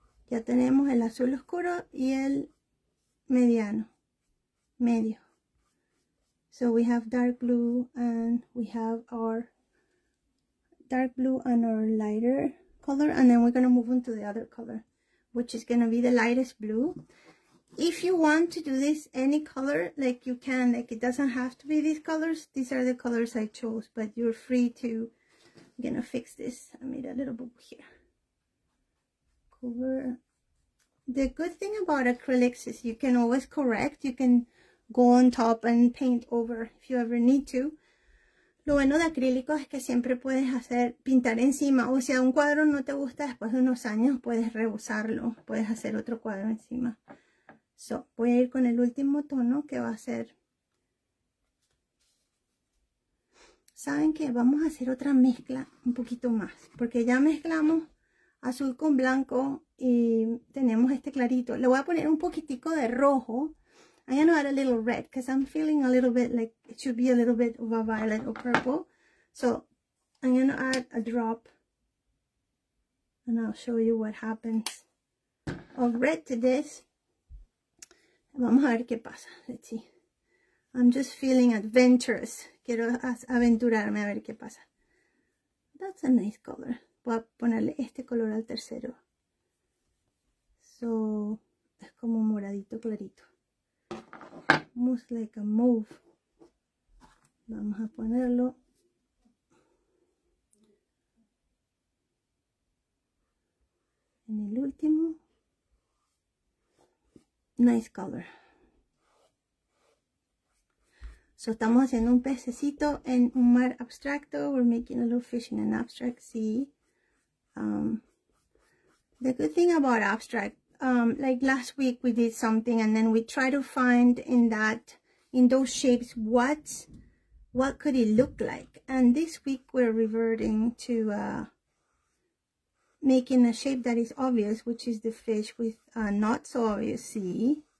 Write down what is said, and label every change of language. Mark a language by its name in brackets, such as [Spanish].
[Spanish] Ya tenemos el azul oscuro y el mediano, medio. [English] So we have dark blue and we have our dark blue and our lighter color. And then we're going to move on to the other color, which is going to be the lightest blue. If you want to do this any color, like you can, like it doesn't have to be these colors. These are the colors I chose, but you're free to, I'm going to fix this. I made a little bubble here. Cover. The good thing about acrylics is you can always correct. You can go on top and paint over if you ever need to. [Spanish] Lo bueno de acrílico es que siempre puedes hacer pintar encima. O sea, un cuadro no te gusta, después de unos años puedes reusarlo. Puedes hacer otro cuadro encima. So, voy a ir con el último tono que va a ser. ¿Saben qué? Vamos a hacer otra mezcla un poquito más. Porque ya mezclamos azul con blanco y tenemos este clarito. Le voy a poner un poquitico de rojo. [English] I'm going to add a little red because I'm feeling a little bit like it should be a little bit of a violet or purple. So I'm going to add a drop and I'll show you what happens of red to this. [Spanish] Vamos a ver qué pasa. [English] Let's see. I'm just feeling adventurous. [Spanish] Quiero aventurarme a ver qué pasa. [English] That's a nice color. [Spanish] Voy a ponerle este color al tercero. So, es como moradito clarito. [English] Almost like a mauve. [Spanish] Vamos a ponerlo. En el último. [English] Nice color. [Spanish] So, estamos haciendo un pececito en un mar abstracto. [English] We're making a little fish in an abstract sea. The good thing about abstract, like last week we did something and then we try to find in that, in those shapes, what could it look like? And this week we're reverting to, making a shape that is obvious, which is the fish with a not so obvious sea.